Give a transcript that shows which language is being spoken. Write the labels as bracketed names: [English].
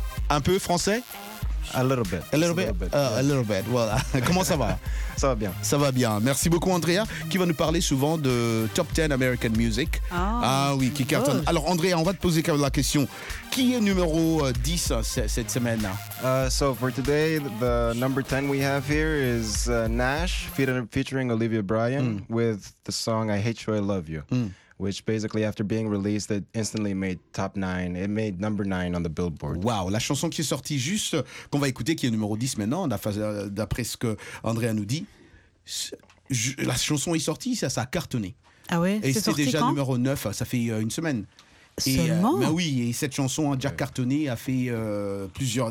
[French] Un peu français? [English] A little bit. [French] Voilà. Comment ça va? Ça va bien. Ça va bien. Merci beaucoup, Andrea, qui va nous parler souvent de Top 10 American Music. Ah, ah oui, qui cartonne. Alors, Andrea, on va te poser quand même la question. Qui est numéro 10 cette semaine? [English] So, for today, the number 10 we have here is Nash featuring Olivia Bryan with the song I Hate You, I Love You. Which basically, after being released, it instantly made top 9. It made number 9 on the Billboard. [French] Wow, la chanson qui est sortie juste, qu'on va écouter, qui est numéro 10 maintenant, d'après ce que Andrea nous dit, la chanson est sortie, ça a cartonné. Ah ouais? Et c'est sorti déjà quand? Numéro 9, ça fait une semaine. Seulement? Mais oui, et cette chanson, Jack Cartonné, a fait plusieurs.